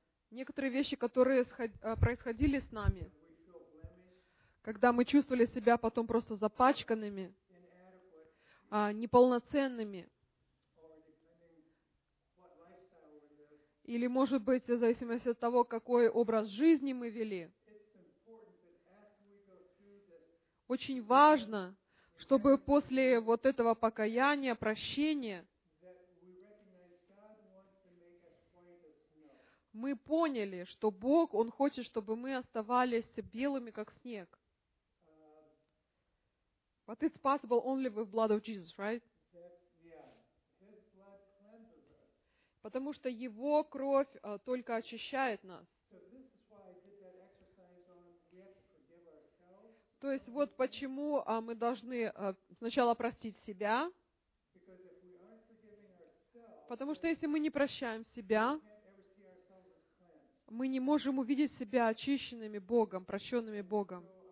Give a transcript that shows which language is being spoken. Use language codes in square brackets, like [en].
[ru] Некоторые вещи, которые происходили с нами, когда мы чувствовали себя потом просто запачканными, неполноценными, или, может быть, в зависимости от того, какой образ жизни мы вели, очень важно, чтобы после вот этого покаяния, прощения, мы поняли, что Бог, Он хочет, чтобы мы оставались белыми, как снег. [en] But it's possible only with blood of Jesus, right? That, yeah. His blood cleanses us. [ru] потому что Его кровь только очищает нас. То есть вот почему мы должны сначала простить себя, потому что если мы не прощаем себя, мы не можем увидеть себя очищенными Богом, прощенными Богом.